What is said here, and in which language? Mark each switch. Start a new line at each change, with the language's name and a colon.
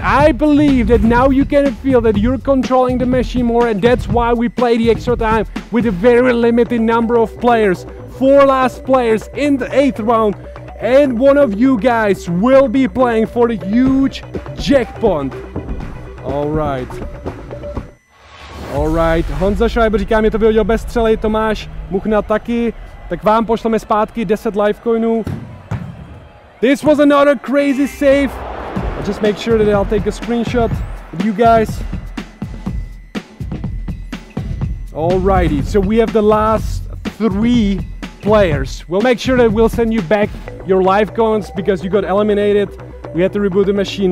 English: I believe that now you can feel that you're controlling the machine more, and that's why we play the extra time with a very limited number of players. Four last players in the eighth round, and one of you guys will be playing for the huge jackpot. Alright.
Czech: Honza Schreiber říká, mě to vyhodil bez střely, Tomáš Muchna taky. Tak vám pošleme zpátky 10 life coinů.
English: This was another crazy save. I'll just make sure that I'll take a screenshot of you guys. Alrighty, so we have the last three players. We'll make sure that we'll send you back your life coins because you got eliminated. We had to reboot the machine.